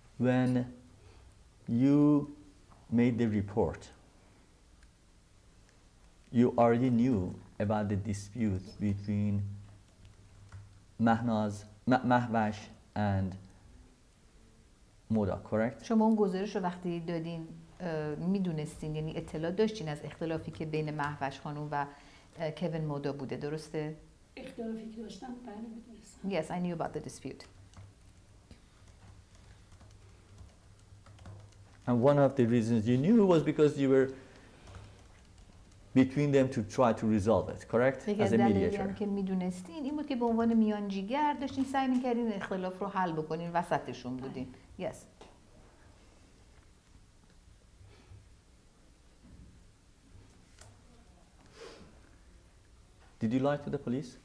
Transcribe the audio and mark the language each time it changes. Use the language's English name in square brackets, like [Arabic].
[English] When you made the report, you already knew about the dispute between Mahnaz, Mahvash and Moda, correct? [Persian] شما اون گزارش رو وقتی دادین میدونستین، یعنی اطلاع داشتین از اختلافی که بین مهوش خانوم و کوین مودا بوده، درسته؟ اختلافی که داشتم بله میدونستم. [English] Yes, I knew about the dispute. And one of the reasons you knew was because you were between them to try to resolve it, correct? As a mediator. [Persian] دلیلی که میدونستین این بود که به عنوان میانجیگر داشتین سعی میکردین اختلاف رو حل بکنین، وسطشون بودین. [English] Yes. Did you lie to the police?